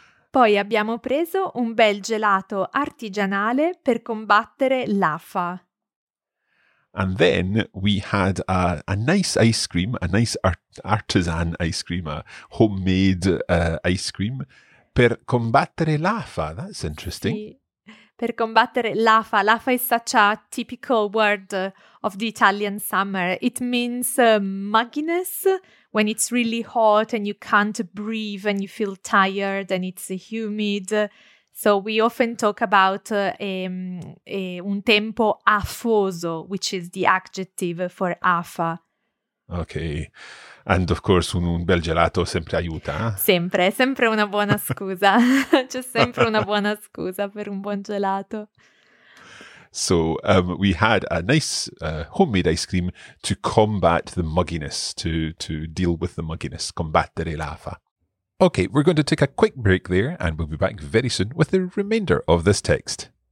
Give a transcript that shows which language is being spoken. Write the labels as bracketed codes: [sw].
[it] Poi abbiamo preso un bel gelato artigianale per combattere l'afa. [en] And then we had a nice ice cream, a nice artisan ice cream, a homemade ice cream, [it] per combattere l'afa. [en] That's interesting. [it] Sì. per combattere l'afa. [en] L'afa is such a typical word of the Italian summer. It means mugginess, when it's really hot and you can't breathe and you feel tired and it's humid. So we often talk about [it] un tempo afoso, [en] which is the adjective for afa. Okay. And of course, [it] un bel gelato sempre aiuta. Eh? Sempre, sempre una buona scusa. C'è sempre una buona scusa per un buon gelato. [en] So we had a nice homemade ice cream to combat the mugginess, to deal with the mugginess, [it] combattere l'afa. [en] Okay, we're going to take a quick break there and we'll be back very soon with the remainder of this text.